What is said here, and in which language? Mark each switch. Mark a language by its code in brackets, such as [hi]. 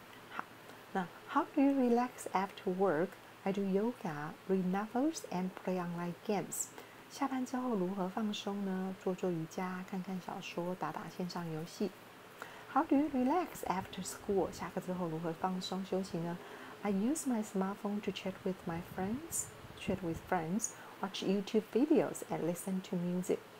[zh] 好，那 [en] How do you relax after work? I do yoga, read novels, and play online games. [zh] 下班之后如何放松呢？做做瑜伽，看看小说，打打线上游戏。 [en] How do you relax after school? [zh] 下课之后如何放松休息呢？ [en] I use my smartphone to chat with friends, watch YouTube videos, and listen to music.